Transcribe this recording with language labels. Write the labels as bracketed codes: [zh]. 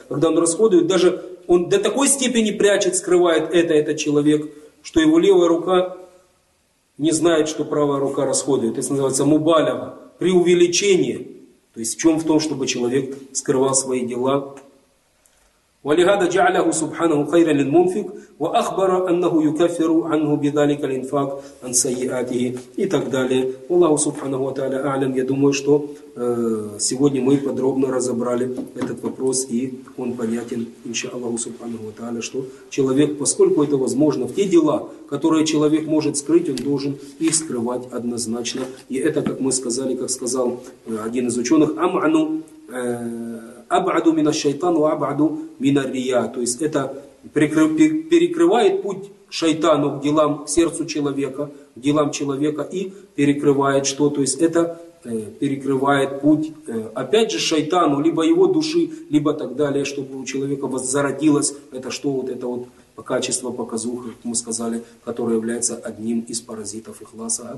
[ru] Когда он расходует, даже он до такой степени прячет, скрывает это человек, что его левая рука не знает, что правая рука расходует. Это называется мубаляга, преувеличение. То есть в чем? В том, чтобы человек скрывал свои дела. [ar] ولهذا جعله سبحانه خيرا للمنفق واخبر انه يكفر عنه بذلك الانفاق عن سيئاته [ru] и так далее. [ar] والله سبحانه وتعالى اعلم. [ru] Я думаю, что сегодня мы подробно разобрали этот вопрос, и он понятен иншааллаху субханаху ва тааля, что человек, поскольку это возможно, в те дела, которые человек может скрыть, он должен их скрывать однозначно. И это, как мы сказали, как сказал один из ученых, [ar] амну абаду мина шайтану абаду мина рия, [ru] то есть это перекрывает путь шайтану к делам, к сердцу человека, к делам человека, и перекрывает что, то есть это перекрывает путь, опять же, шайтану, либо его души, либо так далее, чтобы у человека зародилось это что, вот это вот качество показухи, как мы сказали, которое является одним из паразитов ихласа.